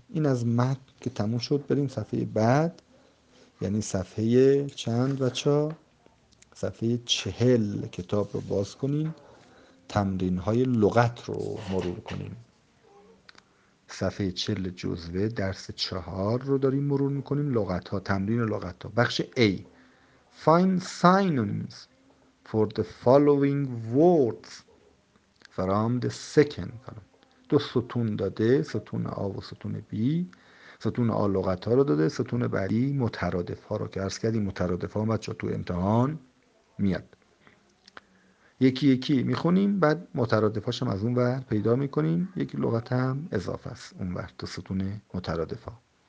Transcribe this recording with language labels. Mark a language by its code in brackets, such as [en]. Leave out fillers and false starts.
[fa] این از متن که تموم شد. بریم صفحه بعد، یعنی صفحه چند بچه؟ صفحه 40. کتاب رو باز کنین. تمرین های لغت رو مرور کنیم. صفحه 40 جزوه درس 4 رو داریم مرور میکنیم، لغت ها، تمرین لغت ها. [en] بخش A: Find synonyms for the following words from the second column. [fa] دو ستون داده، ستون A و ستون B. ستون A لغت ها رو داده، ستون بعدی مترادف ها رو که عرض کردیم. مترادف ها بچه تو امتحان میاد، یکی یکی میخونیم، بعد مترادف هاشم از اون ور پیدا میکنیم. یکی لغت هم اضافه است اون ور تو ستون مترادف ها.